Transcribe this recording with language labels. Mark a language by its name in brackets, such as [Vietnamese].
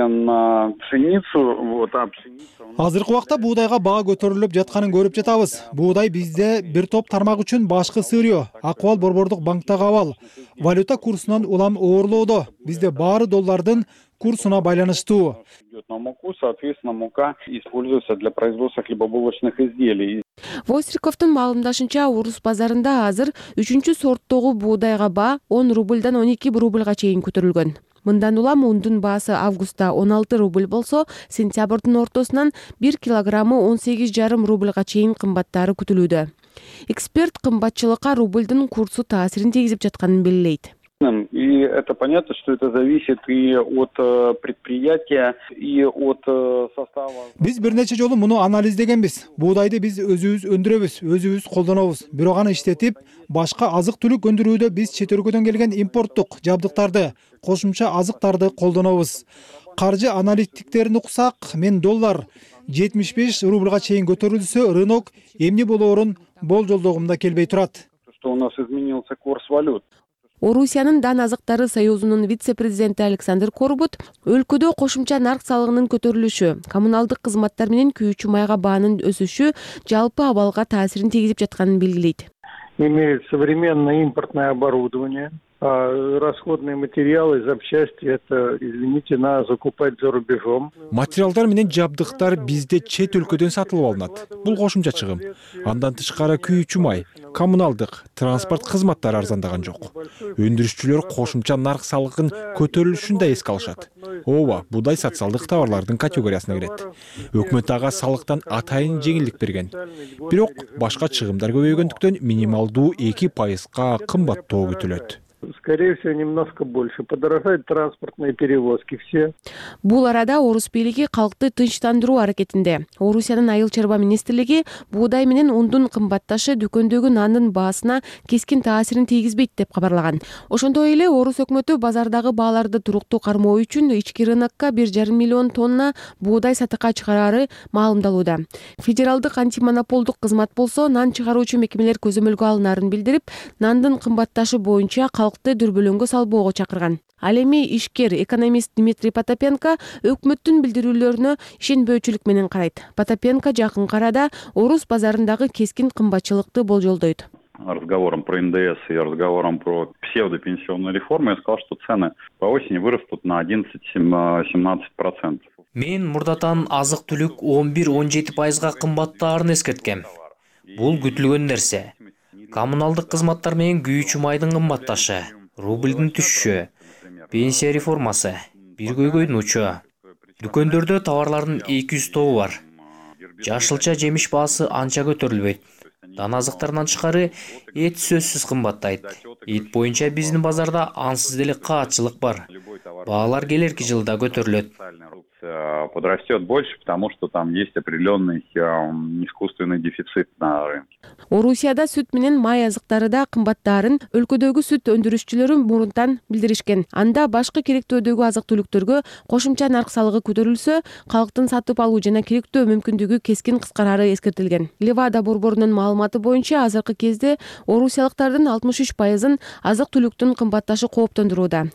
[Kyrgyz] Азыркы убакта буудайга баа көтөрүлүп жатканын көрүп жатабыз. Буудай бизде бир топ тармак үчүн башкы сырьё, акыбал борбордук банктагы абал, валюта курсунан улам оорлоодо. Бизде баары доллардын курсуна байланыштуу. [Russian] На муку, соответственно, мука используется для производства хлебобулочных изделий. [Kyrgyz] Востриковтун маалымдашынча, Орус базарында азыр 3-чү сорттогу буудайга баа 10 рубльдан 12 рубльга чейин көтөрүлгөн. Мындан улам ундун баасы августта 16 рубль болсо, сентябрдын ортосунан 1 килограммы 18,5 рубльга чейин кымбаттары күтүлүүдө. Эксперт кымбатчылыкка рубльдун курсу таасирин тийгизип жатканын белгилейт. [Russian] И это понятно, что это зависит и от предприятия, и от состава. [Kyrgyz] Биз бир нече жолу муну анализдегенбиз. Буудайды биз өзүбүз өндүрөбүз, өзүбүз колдонобуз. Бирок аны иштетип, башка азык түлүк өндүрүүдө биз чет өлкөдөн келген импорттук жабдыктарды, кошумча азыктарды колдонобуз. Каржы аналитиктерин уксак, мен доллар 75 рубльга чейин көтөрүлсө, рынок эмне болоорун болжолдогумда келбей турат. [Russian] Что у нас изменился курс валют? [Kyrgyz] Орусиянын дан азыктары союзунун вице-президенти Александр Корбут өлкөдө кошумча нарк салыгынын көтөрүлүшү, коммуналдык кызматтар менен күйүүчү майга баанын өсүшү жалпы абалга таасирин тийгизип жатканын белгилейт. [Russian] Имеют современное импортное оборудование, а расходные материалы, запчасти это, извините, надо закупать за рубежом. [Kyrgyz] Материалдар менен жабдыктар бизде чет өлкөдөн сатылып алынат. Бул кошумча чыгым. Андан тышкары күйүүчү май, коммуналдык, транспорт кызматтары арзандаган жок. Өндүрүшчүлөр кошумча нарк салыгын көтөрүлүшүн да эске алышат. Ооба, буудай социалдык товарлардын категориясына кирет. Өкмөт ага салыктан атайын жеңилдик берген. Бирок башка чыгымдар көбөйгөндүктөн минималдуу 2% кымбаттоо күтүлөт. [Russian] Скорее всего, немножко больше подорожают транспортные перевозки все. [Kyrgyz] Бул арада орус бийлиги калкты тынчтандыруу аракетинде. Орусиянын айыл чарба министрлиги буудай менен ундун кымбатташы дүкөндөгү нандын баасына кескин таасирин тийгизбейт деп кабарлаган. Ошондой эле орус өкмөтү базардагы бааларды туруктуу кармоо үчүн ички рынокко 1,5 миллион тонна буудай сатыкка чыгарары маалымдалууда. Федералдык антимонополдук кызмат болсо нан чыгаруучу мекемелер көзөмөлгө алынарын билдирип, нандын кымбатташы боюнча калкты дүрбөлөңгө салбоого чакырган. Ал эми ишкер экономист Дмитрий Потапенко өкмөттүн билдирүүлөрүнө ишенбөөчүлүк менен карайт. Потапенко жакын арада орус базарындагы кескин кымбатчылыкты болжолдойт. [Russian] Разговором про НДС и разговором про псевдопенсионную реформу я сказал, что цены по осени вырастут на 11-17%. [Kyrgyz] Мен мурдатан азык-түлүк 11-17% кымбаттаарын эскерткем. Бул күтүлгөн нерсе. Коммуналдык кызматтар менен күйүүчү майдын кымбатташы, рубльдин түшүшү, пенсия реформасы, бир көйгөйдүн учу. Дүкөндөрдө товарлардын 200 тобу бар. Жашылча жемиш баасы анча көтөрүлбөйт. Дан азыктарынан тышкары эт сөзсүз кымбаттайт. Эт боюнча биздин базарда ансыз деле каатчылык бар. Баалар келерки жылда көтөрүлөт. [Russian] Подрастет больше, потому что там есть определенный искусственный дефицит на рынке. [Kyrgyz] Орусияда сүт менен май азыктары да кымбаттаарын өлкөдөгү сүт өндүрүшчүлөрү мурунтан билдиришкен. Анда башка керектөөдөгү азык-түлүктөргө кошумча нарк салыгы көтөрүлсө, калктын сатып алуу жана керектөө мүмкүндүгү кескин кыскарары эскертилген. Левада борборунун маалыматы боюнча азыркы кезде орусиялыктардын 63% азык-түлүктүн кымбатташы кооптондурууда.